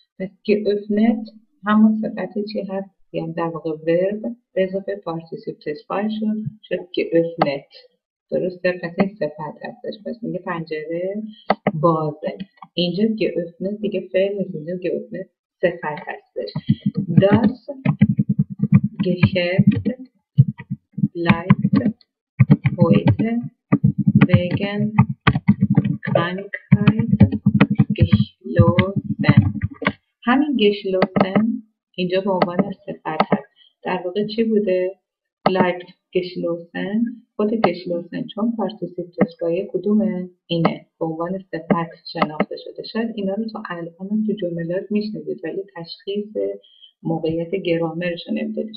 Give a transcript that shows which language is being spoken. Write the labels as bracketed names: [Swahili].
[Persian] پس geöffnet همون صفت چی هست؟ یعنی در واقع verb به اضافه participle تسوای شد، شد geöffnet. درسته؟ پس این صفت هستش، پس میگه پنجره بازه. اینجا geöffnet دیگه فعل نیست، اینجا geöffnet صفت هستش. [German] Das Geschäft bleibt heute wegen Krankheit geschlossen. [Persian] همین geschlossen اینجا به عنوان صفت هست. در واقع چی بوده؟ [German] bleibt geschlossen. [Persian] خود geschlossen چون پارتیسیپ تسوای کدومه؟ اینه. به عنوان صفت شناخته شده. شاید اینا رو تو الان تو جملات میشنوید ولی تشخیص موقعیت گرامرشو نمیدونید.